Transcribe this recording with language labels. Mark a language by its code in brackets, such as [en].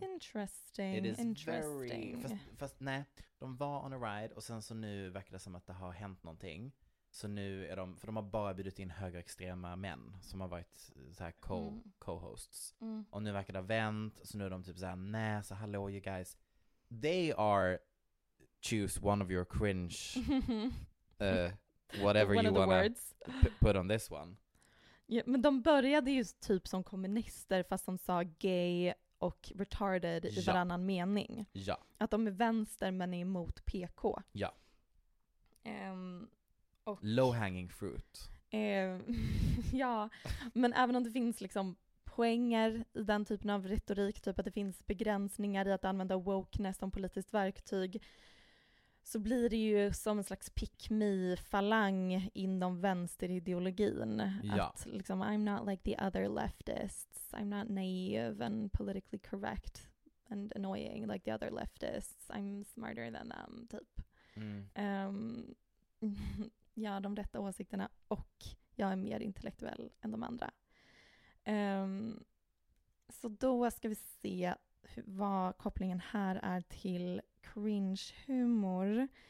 [en] Interesting. It is interesting. Very... [sv] Fast nej, de var [en] on a ride [sv] och sen så nu verkar det som att det har hänt någonting. Så nu är de, för de har bara bjudit in högerextrema män som har varit så här co-hosts. Mm. Och nu verkar det ha vänt, så nu är de typ så här, nej, så hallå [en] you guys. They are choose one of your cringe whatever one you wanna put on this one. [sv] Ja, men de började ju typ som kommunister fast de sa gay och retarded i varannan mening. Ja. Att de är vänster men är emot PK. Ja. [en] Low hanging fruit. [sv] ja, men även om det finns liksom poänger i den typen av retorik, typ att det finns begränsningar i att använda wokeness som politiskt verktyg, så blir det ju som en slags pick-me-falang inom vänsterideologin. Ja. [en] Att liksom, I'm not like the other leftists. I'm not naive and politically correct and annoying like the other leftists. I'm smarter than them, typ. Mm. [sv] Ja, de rätta åsikterna, och jag är mer intellektuell än de andra. Så då ska vi se vad kopplingen här är till cringe humor.